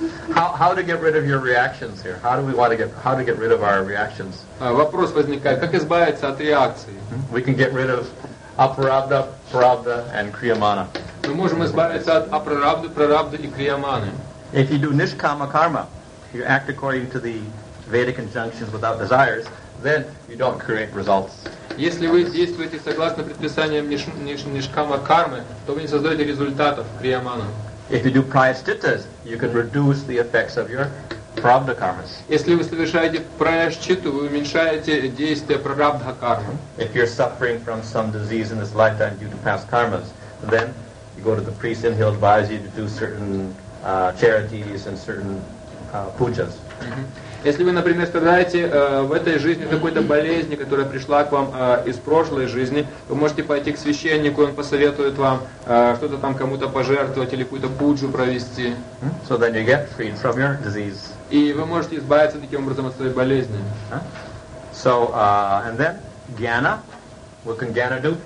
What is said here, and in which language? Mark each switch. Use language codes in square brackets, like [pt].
[en] How to get rid of your reactions here? How to get rid of our reactions? [ru] Вопрос возникает, как избавиться от реакции? [en] We can get rid of aparabdha, prarabdha, and kriyamana. [ru] Мы можем избавиться от aparabdha, prarabdha и kriyamana. [en] If you do nishkama karma, you act according to the Vedic injunctions without desires, then you don't create results. [ru] Если вы действуете согласно предписаниям нишкама кармы, то вы не создаете результатов приямана. [en] If you do prayaschittas, you could reduce the effects of your prarabdha karmas. [ru] Если вы совершаете прайасчитту, вы уменьшаете действие прарабдха кармы. [en] If you're suffering from some disease in this lifetime due to past karmas, then you go to the priest and he'll advise you to do certain charities and certain pujas. [ru] Если вы, например, страдаете в этой жизни какой-то болезни, которая пришла к вам из прошлой жизни, вы можете пойти к священнику, он посоветует вам что-то там кому-то пожертвовать или какую-то пуджу провести. [en] So then you get freed from your disease. [ru] И вы можете избавиться таким образом от своей болезни. [en] So and then jnana, what can jnana do?